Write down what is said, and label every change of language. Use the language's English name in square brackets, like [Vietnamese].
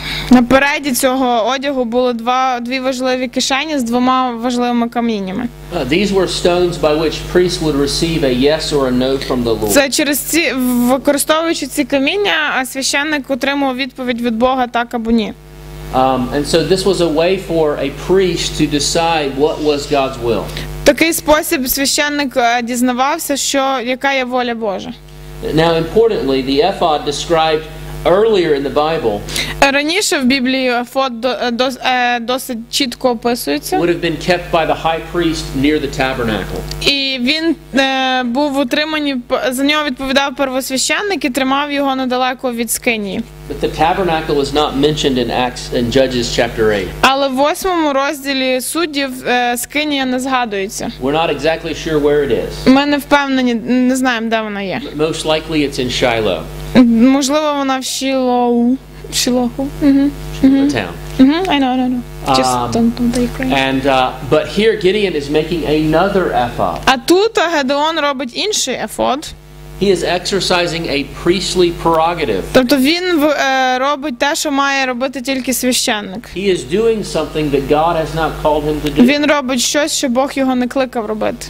[Ukrainian] На переді цього одягу було дві важливі кишені з двома важливими каміннями. [English] These were stones by which priests would receive a yes or a no from the Lord. [Ukrainian] Це через ці, використовуючи ці каміння, священник отримував відповідь від Бога так або ні. [English] And so this was a way for a priest to decide what was God's will. [Ukrainian] Такий спосіб священник дізнавався, що яка є воля Божа. [English] Now importantly, the ephod described earlier in the Bible. [Ukrainian] Раніше в Біблії ефод досить чітко описується. [English] Would have been kept by the high priest near the tabernacle. [Ukrainian] І він був утриманий, за нього відповідав первосвященник і тримав його недалеко від скинії. [English] But the tabernacle was not mentioned in Acts and Judges chapter 8. [Ukrainian] Але в 8-му розділі суддів скинія не згадується. [English] We're not exactly sure where it is. [Ukrainian] Ми не впевнені, не знаємо, де вона є. [English] Most likely it's in Shiloh. [Ukrainian] Можливо, вона в Шілоху. Шілоху. [English] Town. I know. Just don't be crazy. And but here Gideon is making another ephod. [Ukrainian] А тут Гедеон робить інший ефод. [English] He is exercising a priestly prerogative. [Ukrainian] Тобто він робить те, що має робити тільки священник. [English] He is doing something that God has not called him to do. [Ukrainian] Він робить щось, що Бог його не кликав робити.